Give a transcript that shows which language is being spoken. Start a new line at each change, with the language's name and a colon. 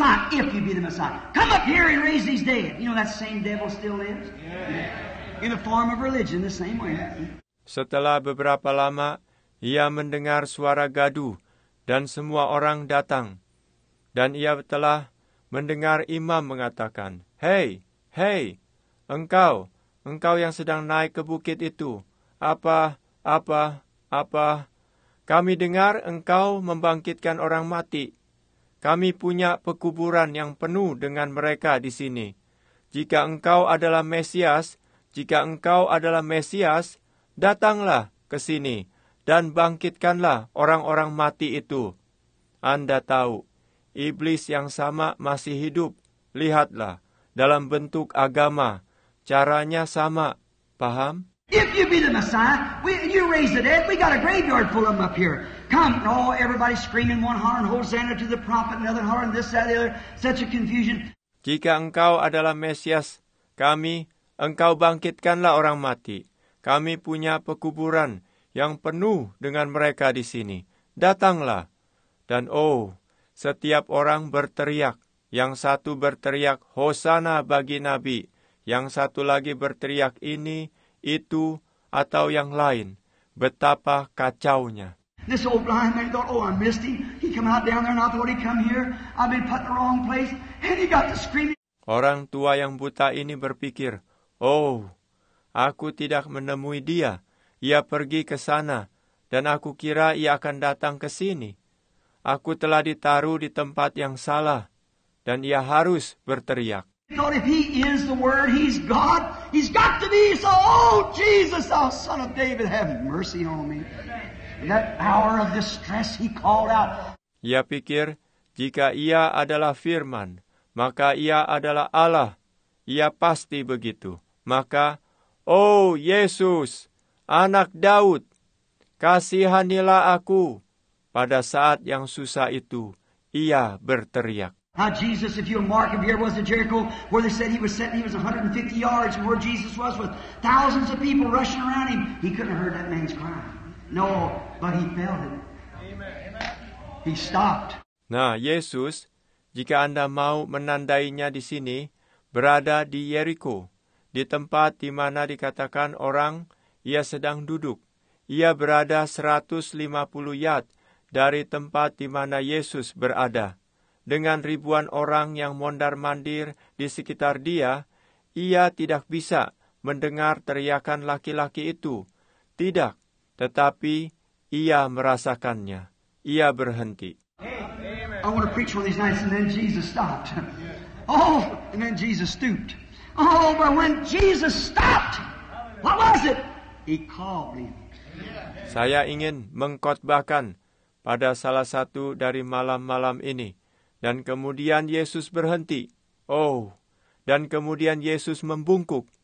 English: If you be the Messiah, come up here and raise these dead. You know that same devil still lives? Yeah. In a form of religion, the same way.
Indonesian: Setelah beberapa lama, ia mendengar suara gaduh dan semua orang datang. dan ia telah mendengar imam mengatakan, "Hei, hei, engkau, engkau yang sedang naik ke bukit itu, apa, apa, apa, kami dengar engkau membangkitkan orang mati. Kami punya pekuburan yang penuh dengan mereka di sini. Jika engkau adalah Mesias, jika engkau adalah Mesias, datanglah ke sini dan bangkitkanlah orang-orang mati itu." Anda tahu, iblis yang sama masih hidup. Lihatlah, dalam bentuk agama, caranya sama. Paham?
English: If you be the Messiah, you raise the dead. We got a graveyard full of them up here. Come, oh, everybody screaming one hollering Hosanna to the prophet, another hollering this, that, the other. Such a confusion.
Indonesian: Jika engkau adalah Mesias kami, engkau bangkitkanlah orang mati. Kami punya pekuburan yang penuh dengan mereka di sini. Datanglah. Dan oh, setiap orang berteriak. Yang satu berteriak, Hosanna bagi Nabi. Yang satu lagi berteriak ini, itu, atau yang lain. Betapa kacaunya.
English: This old blind man thought, oh, I missed him. He come out down there and I thought he come here. I've been put in the wrong place. And he got to screaming.
Indonesian: Orang tua yang buta ini berpikir, oh, aku tidak menemui dia. Ia pergi ke sana. Dan aku kira ia akan datang ke sini. Aku telah ditaruh di tempat yang salah. Dan ia harus berteriak.
English: Thought if he is the word, he's God. He's got to be. So, oh, Jesus, thou son of David, have mercy on me. That hour of distress he called out.
Indonesian: Ia pikir, jika ia adalah firman, maka ia adalah Allah. Ia pasti begitu. Maka, oh Yesus, anak Daud, kasihanilah aku. Pada saat yang susah itu, ia berteriak.
English: Now Jesus, if you mark him, here was the Jericho where they said he was sitting. He was 150 yards from where Jesus was with thousands of people rushing around him. He couldn't have heard that man's cry. No, but he felt it. He stopped.
Indonesian: Nah, Yesus, jika Anda mau menandainya di sini, berada di Yeriko, di tempat di mana dikatakan orang, ia sedang duduk. Ia berada 150 yard dari tempat di mana Yesus berada. Dengan ribuan orang yang mondar-mandir di sekitar dia, ia tidak bisa mendengar teriakan laki-laki itu. Tidak, tetapi ia merasakannya. Ia berhenti.
English: I want to preach one of these nights, and then Jesus stopped. Oh, and then Jesus stooped. Oh, but when Jesus stopped, what was it? He called him.
Indonesian: Saya ingin mengkhotbahkan pada salah satu dari malam-malam ini. Dan kemudian Yesus berhenti. Oh, dan kemudian Yesus membungkuk.